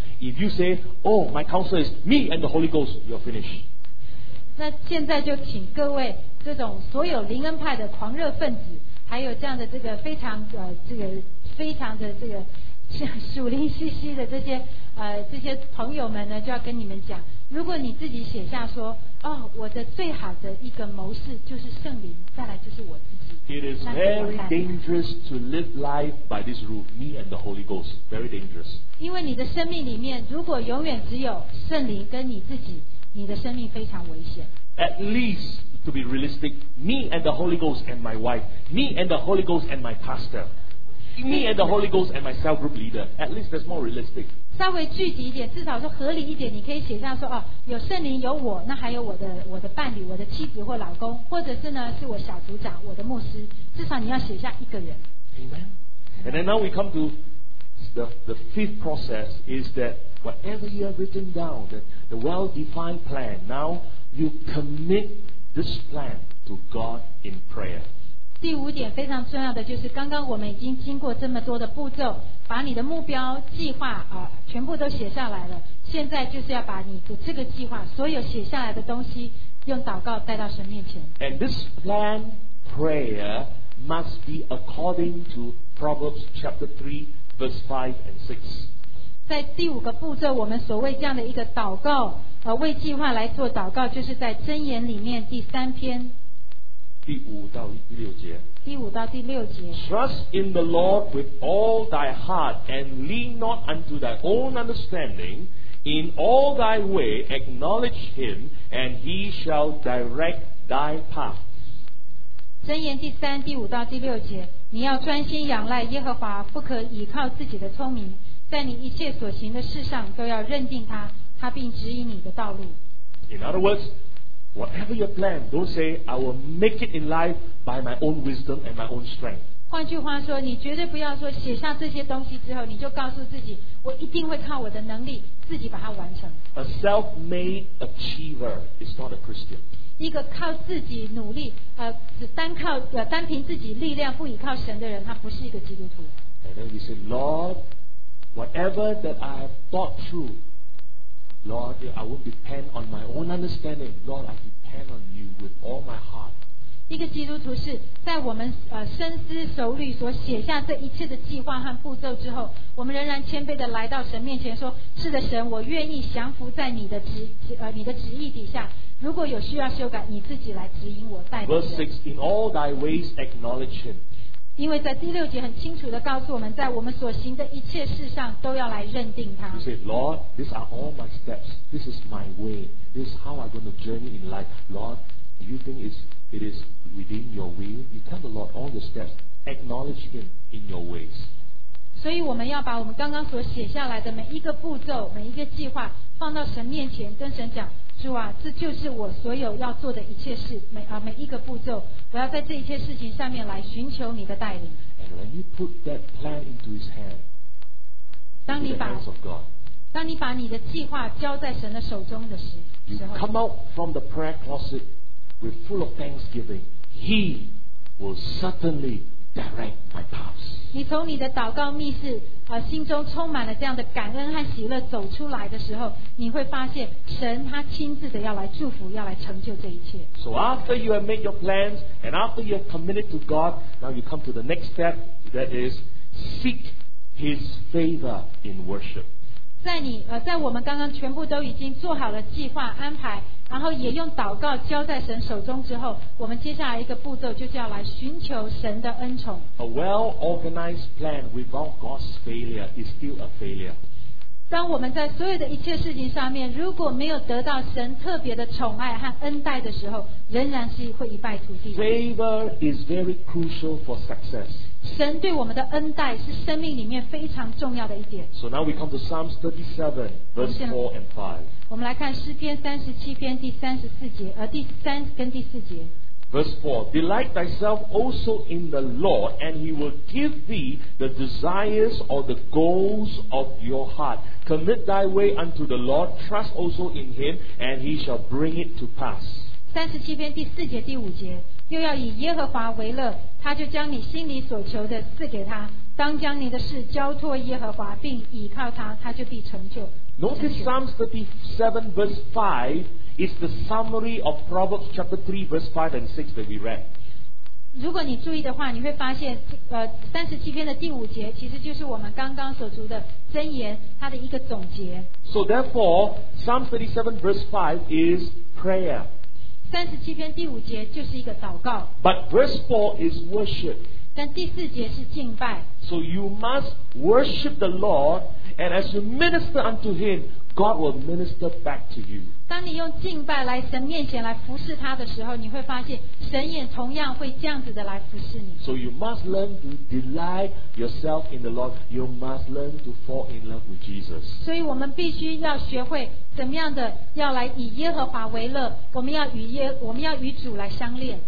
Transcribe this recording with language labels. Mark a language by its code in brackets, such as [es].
[en] If you say, oh, my counsel is me and the Holy Ghost, you're finished. [zh] 那现在就请各位这种所有灵恩派的狂热分子，还有这样的这个非常这个非常的这个属灵兮兮的这些朋友们呢，就要跟你们讲，如果你自己写下说，哦，我的最好的一个谋士就是圣灵，再来就是我自己。 [en] It is very dangerous to live life by this rule, me and the Holy Ghost. Very dangerous. At least, to be realistic, me and the Holy Ghost and my wife, me and the Holy Ghost and my pastor, me and the Holy Ghost and my cell group leader. At least that's more realistic. [zh] 稍微具体一点，至少说合理一点，你可以写上说哦，有圣灵，有我，那还有我的伴侣，我的妻子或老公，或者是呢，是我小组长，我的牧师。至少你要写下一个人。 [en] Amen. And then now we come to the fifth process is that whatever you have written down, the well-defined plan, now you commit this plan to God in prayer. [zh] 第五点非常重要的就是刚刚我们已经经过这么多的步骤把你的目标计划、全部都写下来了现在就是要把你的这个计划所有写下来的东西用祷告带到神面前 [en] And this plan prayer must be according to Proverbs chapter 3 verse 5 and 6 [zh] 在第五个步骤我们所谓这样的一个祷告、为计划来做祷告就是在箴言里面第三篇第五到第六节。第五到第六节。 [en] Trust in the Lord with all thy heart and lean not unto thy own understanding. In all thy way acknowledge him and he shall direct thy path. [zh] 箴言第三第五到第六节，你要专心仰赖耶和华，不可倚靠自己的聪明，在你一切所行的事上都要认定他，他并指引你的道路。 [en] In other words. Whatever your plan, don't say, I will make it in life by my own wisdom and my own strength. [zh] 换句话说，你绝对不要说写下这些东西之后，你就告诉自己，我一定会靠我的能力自己把它完成。 [en] A self-made achiever is not a Christian. [zh] 一个靠自己努力，只单靠，单凭自己力量，不依靠神的人，他不是一个基督徒。 [en] And then he said, Lord, whatever that I have thought through,Lord, I won't depend on my own understanding. Lord, I depend on you with all my heart. [zh] 一个基督徒是在我们深思熟虑所写下这一切的计划和步骤之后，我们仍然谦卑地来到神面前说：“是的，神，我愿意降服在你的旨意底下。如果有需要修改，你自己来指引我带领。” [en] Verse 6, in all thy ways acknowledge him. [zh] 因为在第六节很清楚地告诉我们，在我们所行的一切事上都要来认定他。 [en] You say, Lord, these are all my steps. This is my way. This is how I'm going to journey in life. Lord, do you think it is within your will? You tell the Lord all the steps. Acknowledge him in your ways. [zh] 所以我们要把我们刚刚所写下来的每一个步骤、每一个计划放到神面前，跟神讲。主啊，这就是我所有要做的一切事，每一个步骤，我要在这一切事情上面来寻求你的带领。 [en] And when you put that plan into His hand, into the hands of God, [zh] 当你把你的计划交在神的手中的时候 [en] ，you come out from the prayer closet with full of thanksgiving. He will certainly direct my paths. [zh] 你从你的祷告密室。心中充满了这样的感恩和喜乐走出来的时候你会发现神他亲自的要来祝福要来成就这一切 [en] So after you have made your plans and after you have committed to God now you come to the next step that is seek his favor in worship [zh] 在我们刚刚全部都已经做好了计划安排然后也用祷告交在神手中之后我们接下来一个步骤就是要来寻求神的恩宠 [en] A well-organized plan without God's failure is still a failure [zh] 当我们在所有的一切事情上面如果没有得到神特别的宠爱和恩待的时候仍然是会一败涂地 [en] Favor is very crucial for success [zh] 神对我们的恩待是生命里面非常重要的一点 [en] So now we come to Psalms 37 verse 4 and 5 [zh] 我们来看诗篇三十七篇第三十四节，第三跟第四节。 [en] Verse 4, delight thyself also in the Lord, and he will give thee the desires or the goals of your heart. Commit thy way unto the Lord, trust also in him, and he shall bring it to pass. [zh] 三十七篇第四节第五节，又要以耶和华为乐，他就将你心里所求的赐给他。当将你的事交托耶和华，并倚靠他，他就必成就。 [en] Notice Psalms 37 verse 5 is the summary of Proverbs chapter 3 verse 5 and 6 that we read. [zh] 如果你注意的话你会发现37篇的第五节其实就是我们刚刚所读的箴言它的一个总结。 [en] So therefore, Psalms 37 verse 5 is prayer. [zh] 37篇第5节就是一个祷告。 [en] But verse 4 is worship. [zh] 但第4节是敬拜。 [en] So you must worship the Lord, and as you minister unto Him, God will minister back to you. [zh] 当你用敬拜来神面前来服侍他的时候，你会发现神也同样会这样子的来服侍你。 [en] So you must learn to delight yourself in the Lord. You must learn to fall in love with Jesus. [zh] 所以我们必须要学会怎么样的要来以耶和华为乐，我们要与主来相恋。